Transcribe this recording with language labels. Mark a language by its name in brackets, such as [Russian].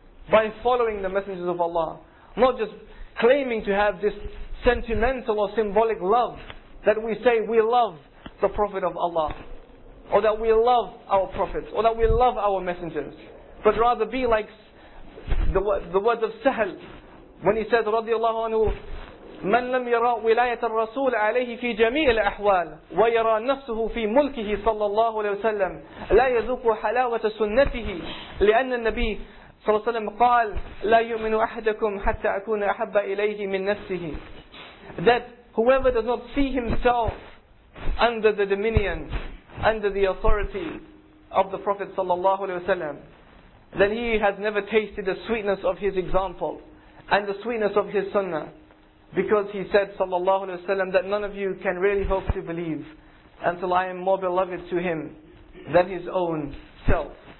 [English] By following the messengers of Allah. Not just claiming to have this sentimental or symbolic love. That we say we love the Prophet of Allah. Or that we love our prophets. Or that we love our messengers. But rather be like the words of Sahal. When he said, radiallahu anhu, [Arabic] مَنْ لَمْ يَرَى وِلَايَةَ الرَّسُولِ عَلَيْهِ فِي جَمِيعِ الْأَحْوَالِ وَيَرَى نَفْسُهُ فِي مُلْكِهِ صَلَّى اللَّهُ عَلَيْهِ وَسَلَّمْ لَا يَذُوقُ حَلَاوَةَ سُنَّتِهِ لِأَنَّ النَّبِيِّ صلى الله عليه وسلم قال لا يؤمن أحدكم حتى أكون أحب إليه من نفسه. [English] That whoever does not see himself under the dominion, under the authority of the Prophet صلى الله عليه وسلم, then he has never tasted the sweetness of his example and the sweetness of his sunnah. Because he said صلى الله عليه وسلم that none of you can really hope to believe until I am more beloved to him than his own self.